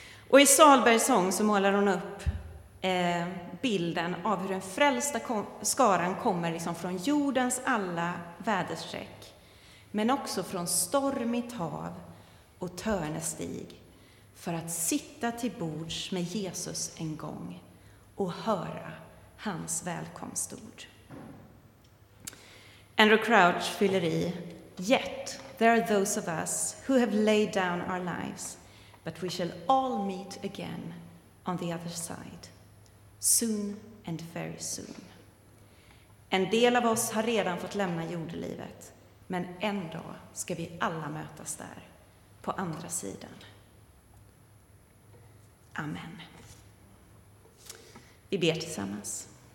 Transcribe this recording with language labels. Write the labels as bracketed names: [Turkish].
[Swedish] Och i Salbergs sång så målar hon upp bilden av hur den frälsta skaran kommer liksom från jordens alla väderstreck, men också från stormigt hav och törnestig, för att sitta till bords med Jesus en gång och höra hans välkomstord. [English] Andrew Crouch [Swedish] fyller i: [English] "Yet there are those of us who have laid down our lives, but we shall all meet again on the other side. Soon and very soon." [Swedish] En del av oss har redan fått lämna jordelivet, men en dag ska vi alla mötas där, på andra sidan. Amen. Vi ber tillsammans.